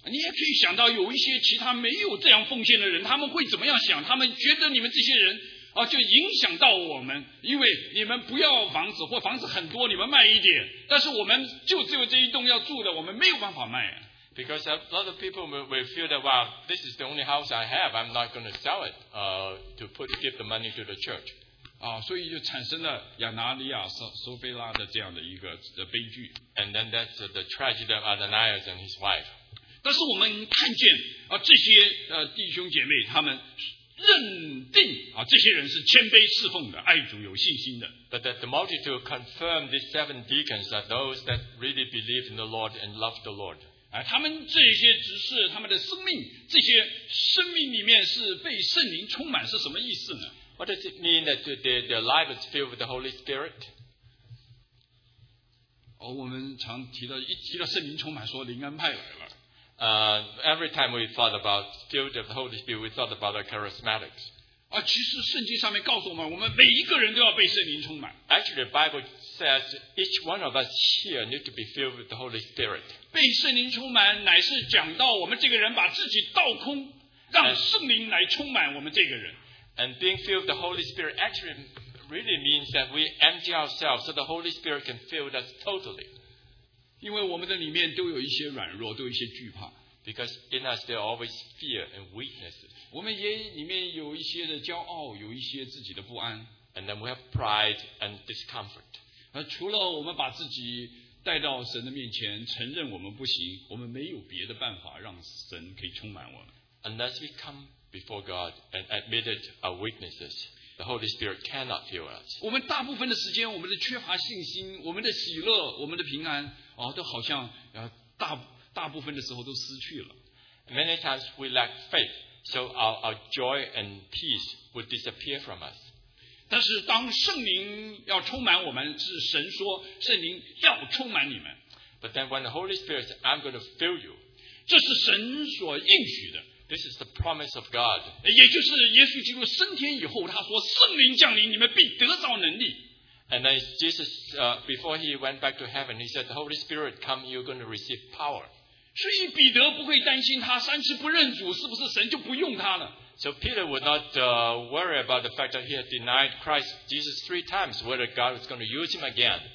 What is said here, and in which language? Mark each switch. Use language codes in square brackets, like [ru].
[zh] 你也可以想到有一些其他没有这样奉献的人，他们会怎么样想？他们觉得你们这些人就影响到我们，因为你们不要房子或房子很多，你们卖一点，但是我们就只有这一栋要住的，我们没有办法卖。 [en] Because a lot of people will feel that, well, this is the only house I have. I'm not going to sell it, to give the money to the church. [zh] 所以就产生了亚拿尼亚、苏菲拉的这样的一个悲剧。 [en] And then that's the tragedy of Ananias and his wife. [zh] 但是我们看见这些弟兄姐妹他们。认定这些人是谦卑侍奉的，爱主有信心的。 [en] But that the multitude confirmed these seven deacons are those that really believe in the Lord and love the Lord. [zh] 他们这些执事，他们的生命，这些生命里面是被圣灵充满，是什么意思呢？ [en] What does it mean that their life is filled with the Holy Spirit? [zh] 我们常提到，一提到圣灵充满，说灵恩派来了。 [en] Every time we thought about filled with the Holy Spirit, we thought about the charismatics. [zh] 其实圣经上面告诉我们，我们每一个人都要被圣灵充满。 [en] Actually, the Bible says each one of us here need to be filled with the Holy Spirit. [zh] 被圣灵充满乃是讲到我们这个人把自己倒空，让圣灵来充满我们这个人。 [en] And being filled with the Holy Spirit actually really means that we empty ourselves so the Holy Spirit can fill us totally. [zh] 因为我们的里面都有一些软弱，都有一些惧怕。 [en] Because in us there are always fear and weaknesses. [zh] 我们也里面有一些的骄傲，有一些自己的不安。 [en] And then we have pride and discomfort. [zh] 除了我们把自己带到神的面前，承认我们不行，我们没有别的办法让神可以充满我们。 [en] Unless we come before God and admitted our weaknesses. The Holy Spirit cannot fill us. [zh] 我们大部分的时间，我们的缺乏信心，我们的喜乐，我们的平安，都好像大部分的时候都失去了。 [en] Many times we lack faith, so our joy and peace would disappear from us. [zh] 但是当圣灵要充满我们，是神说圣灵要充满你们。 [en] But then when the Holy Spirit says, "I'm going to fill you," [zh] 这是神所应许的。 [en] This is the promise of God. [zh] 也就是耶稣基督升天以后，他说：“圣灵降临，你们必得着能力。” [en] And then Jesus, before he went back to heaven, he said, "The Holy Spirit come, you're going to receive power." [zh] 所以彼得不会担心他三次不认主，是不是神就不用他了 [en] ？So Peter would not worry about the fact that he had denied Christ Jesus three times, whether God was going to use him again.